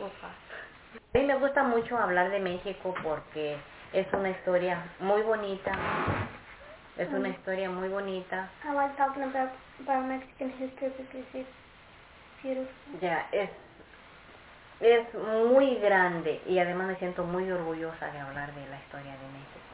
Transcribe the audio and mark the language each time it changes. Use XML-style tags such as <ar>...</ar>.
<en>we'll pass.</en> <es>A mí me gusta mucho hablar de México porque es una historia muy bonita. Es una historia muy bonita.</es> <en>I like talking about Mexican history because it's beautiful.</en> <es>Yeah, es muy grande y además me siento muy orgullosa de hablar de la historia de México.</es>